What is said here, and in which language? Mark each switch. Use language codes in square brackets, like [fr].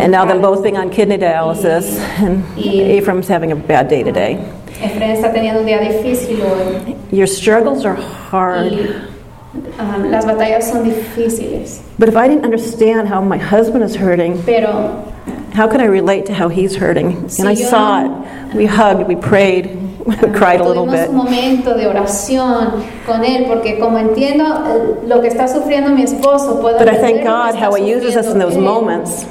[en] And now them both being on kidney dialysis, and Ephraim's having a bad day today. [es] Ephraim está teniendo un día difícil hoy. [en] Your struggles are hard. [es] Las batallas son difíciles. [en] But if I didn't understand how my husband is hurting, [es] pero [en] how can I relate to how he's hurting? [es] Si [en] and I saw it. We hugged. We prayed. We cried a little bit. [es] Tuvimos un momento de oración con él porque como entiendo lo que está sufriendo mi esposo, puedo. [en] But I thank God how he uses us in those moments.